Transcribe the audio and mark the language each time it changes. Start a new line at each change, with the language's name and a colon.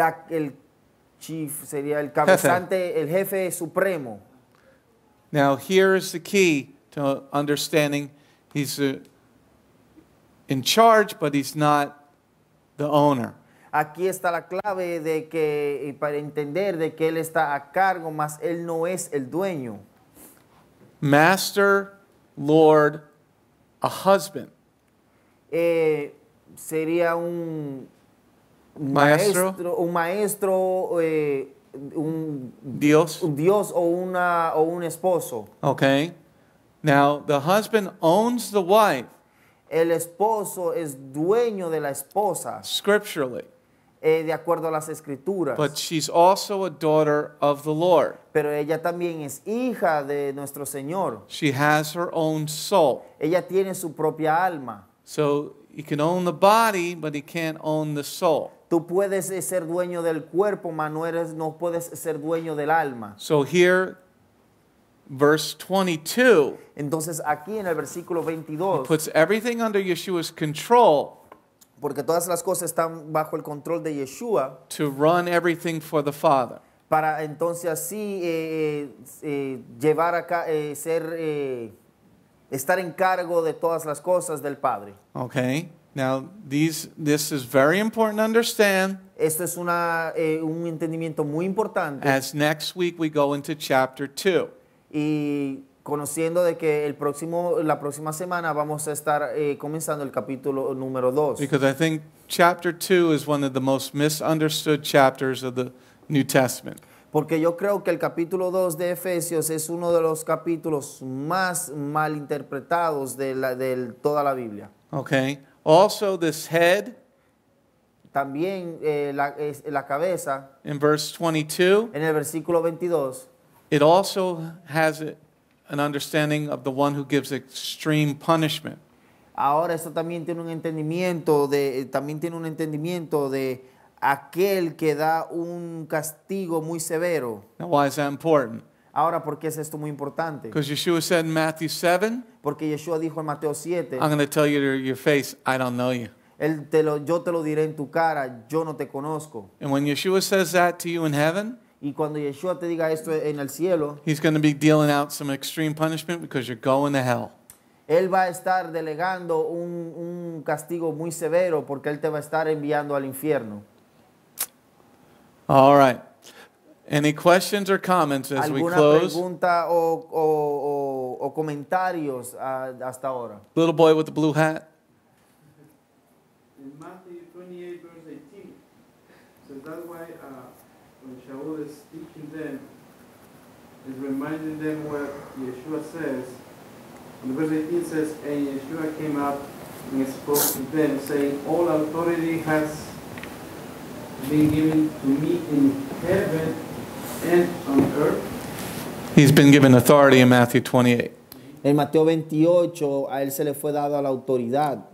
Spanish: El chief sería el cabezante, el jefe supremo.
English: Now here is the key to understanding he's in charge, but he's not the owner.
Spanish: Aquí está la clave de que para entender de que él está a cargo, mas él no es el dueño.
English: Master, Lord, a husband.
Spanish: Sería un maestro, un Dios, un esposo.
English: Okay. Now the husband owns the wife.
Spanish: El esposo es dueño de la esposa.
English: Scripturally.
Spanish: De acuerdo a las escrituras.
English: But she's also a daughter of the Lord.
Spanish: Pero ella también es hija de nuestro Señor.
English: She has her own soul.
Spanish: Ella tiene su propia alma.
English: So he can own the body, but he can't own the soul.
Spanish: Tú puedes ser dueño del cuerpo, mas no puedes ser dueño del alma.
English: So here, verse 22.
Spanish: Entonces aquí en el versículo 22.
English: He puts everything under Yeshua's control.
Spanish: Porque todas las cosas están bajo el control de Yeshua.
English: To run everything for the Father.
Spanish: Para entonces así llevar acá, estar en cargo de todas las cosas del Padre.
English: Okay. Now, this is very important to understand.
Spanish: Esto es un entendimiento muy importante.
English: As next week we go into chapter 2.
Spanish: Y conociendo de que la próxima semana vamos a estar comenzando el capítulo número 2.
English: Because I think chapter 2 is one of the most misunderstood chapters of the New Testament.
Spanish: Porque yo creo que el capítulo 2 de Efesios es uno de los capítulos más mal interpretados de toda la Biblia.
English: Okay. Also this head.
Spanish: También la cabeza.
English: In verse 22.
Spanish: En el versículo 22.
English: It also has an understanding of the one who gives extreme punishment.
Spanish: Ahora esto también tiene un entendimiento de aquel que da un castigo muy severo.
English: Now, why is that important?
Spanish: Ahora, ¿por qué es esto muy importante?
English: Because Yeshua said in Matthew 7.
Spanish: Porque Yeshua dijo en Mateo 7.
English: I'm going to tell you to your face, I don't know you.
Spanish: Yo te lo diré en tu cara, yo no te conozco.
English: And when Yeshua says that to you in heaven.
Spanish: Y cuando Yeshua te diga esto en el cielo.
English: He's going to be dealing out some extreme punishment because you're going to hell.
Spanish: Él va a estar delegando un castigo muy severo porque él te va a estar enviando al infierno.
English: All right. Any questions or comments as we close?
Spanish: ¿Alguna pregunta o comentarios hasta ahora?
English: Little boy with the blue hat. In Matthew 28, verse 18, so that's why when Sha’ul is teaching them, is reminding them what Yeshua says. In verse 18 says, and Yeshua came up and spoke to them, saying, all authority has been given to me in heaven and on earth. He's been given authority in Matthew 28.
Spanish: En Mateo 28, a él se le fue dado la autoridad.